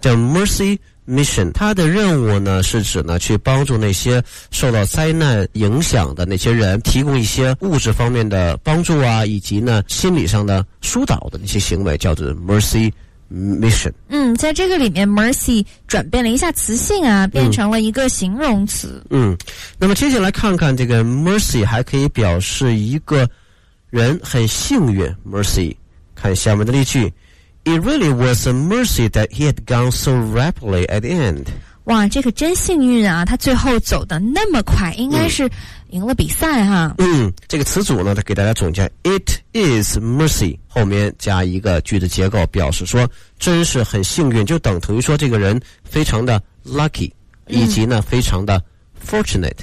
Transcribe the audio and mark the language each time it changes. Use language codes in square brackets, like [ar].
[zh] 叫 mercy mission， 她的任务呢是指呢去帮助那些受到灾难影响的那些人，提供一些物质方面的帮助啊，以及呢心理上的疏导的那些行为，叫做 mercy。Mission，在这个里面 mercy 转变了一下词性啊，变成了一个形容词。那么接下来看看这个 mercy 还可以表示一个人很幸运。 [en] mercy， [zh] 看下面的例句 [en] ，It really was a mercy that he had gone so rapidly at the end。 [zh] 哇，这个真幸运啊，他最后走的那么快，应该是赢了比赛哈。这个词组呢，他给大家总结 ， [en] It is mercy。 [zh] 后面加一个句子结构，表示说真是很幸运，就等同于说这个人非常的 lucky， 以及呢非常的 fortunate。